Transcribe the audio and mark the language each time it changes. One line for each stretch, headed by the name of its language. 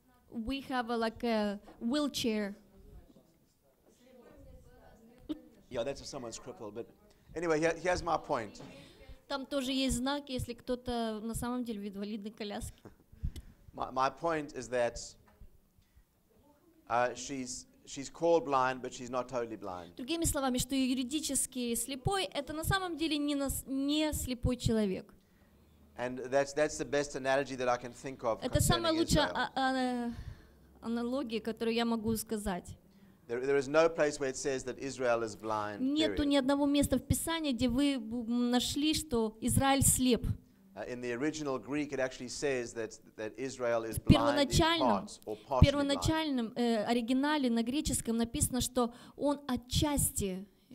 English: We have like a wheelchair. Yeah, that's if someone's crippled. But anyway, here's my point.
Russian: Там тоже есть знак, если кто-то на самом деле в инвалидной коляске.
English: My point is that she's called blind, but she's not totally blind.
Russian: Другими словами, что юридически слепой, это на самом деле не слепой человек.
English: And that's the best analogy that I can think of.
Russian: Это самая лучшая аналогия, которую я могу сказать.
English: There is no place where it says that Israel is blind.
Russian: Нету ни одного места в Писании, где вы нашли, что Израиль слеп.
English: In the original Greek, it actually says that Israel is blind in part or partially.
Russian: В первоначальном оригинале на греческом написано, что он отчасти.